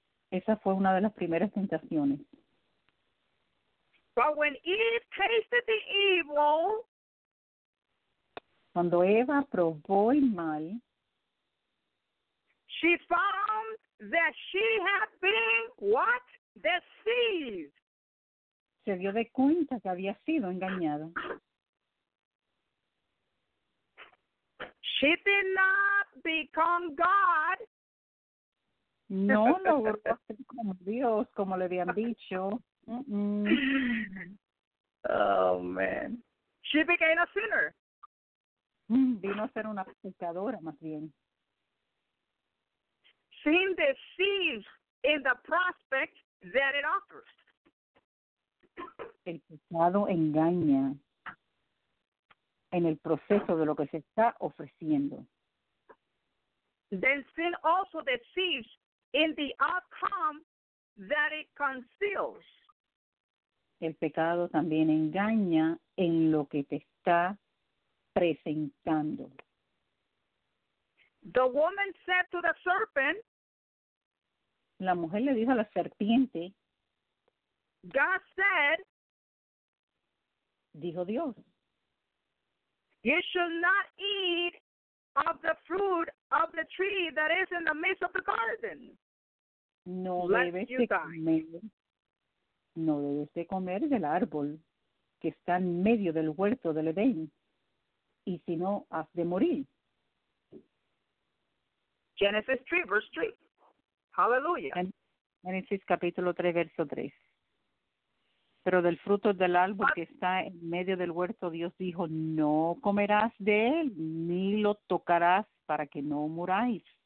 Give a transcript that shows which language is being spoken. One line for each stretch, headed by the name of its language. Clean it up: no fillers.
Spanish: Esa fue una de las primeras tentaciones.
English: But when Eve tasted the evil,
Spanish: cuando Eva probó el mal,
English: she found that she had been what? Deceived.
Spanish: Se dio de cuenta que había sido engañada.
English: She did not become God.
Spanish: No logró ser como Dios, como le habían dicho.
English: Oh man. She became a sinner.
Spanish: Vino a ser una pecadora más bien.
English: Sin deceived in the prospect that it offers.
Spanish: El pecado engaña en el proceso de lo que se está ofreciendo.
English: Then sin also deceives in the outcome that it conceals.
Spanish: El pecado también engaña en lo que te está presentando.
English: The woman said to the serpent,
Spanish: la mujer le dijo a la serpiente,
English: God said,
Spanish: dijo Dios,
English: you should not eat of the fruit of the tree that is in the midst of the garden.
Spanish: No debes de comer. No debes de comer del árbol que está en medio del huerto del Edén, y si no, has de morir.
English: Genesis 3, verse 3. Hallelujah.
Spanish: Génesis capítulo 3, verso 3. Pero del fruto del árbol que está en medio del huerto, Dios dijo, no comerás de él, ni lo tocarás para que no muráis.